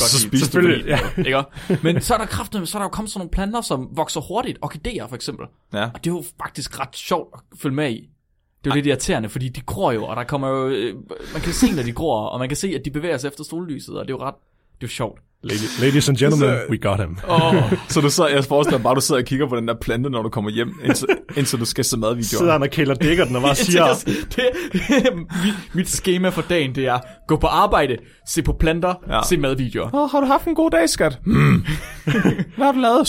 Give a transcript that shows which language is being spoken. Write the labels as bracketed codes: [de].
[da] Så spiste du det. Ikke? Men så er der kraften, så er der jo kommet sådan nogle planter, som vokser hurtigt. Orkideer for eksempel. Ja. Og det er jo faktisk ret sjovt at følge med i. Det er jo lidt irriterende, fordi de gror jo, og der kommer jo, man kan se, når de gror, og man kan se, at de bevæger sig efter sollyset, og det er jo ret, det er jo sjovt. [en] Ladies and gentlemen, we got him. [da] Så du sidder, jeg forestiller bare, du sidder og kigger på den der plante, når du kommer hjem, indtil du skal se madvideoen. Sidder han og kæler dækker den og bare siger. mit schema for dagen, det er, gå på arbejde, se på planter, ja. Se madvideoer. Oh, har du haft en god dag, skat? Hmm. Hvad har du lavet?